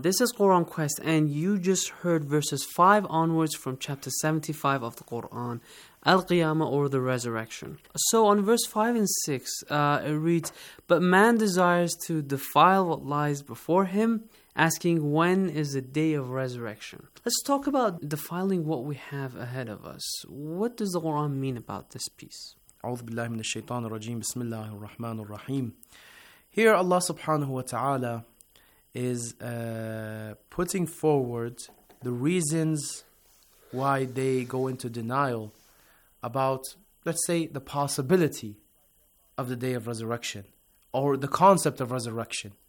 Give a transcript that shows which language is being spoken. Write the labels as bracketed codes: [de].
[en] This is Quran Quest, and you just heard verses 5 onwards from chapter 75 of the Quran, Al-Qiyamah, or the Resurrection. So on verse 5 and 6, it reads, "But man desires to defile what lies before him, asking when is the day of resurrection." Let's talk about defiling what we have ahead of us. What does the Quran mean about this piece? [ar] أعوذ بالله من الشيطان الرجيم بسم الله الرحمن الرحيم. [en] Here Allah subhanahu wa ta'ala is putting forward the reasons why they go into denial about, let's say, the possibility of the day of resurrection or the concept of resurrection.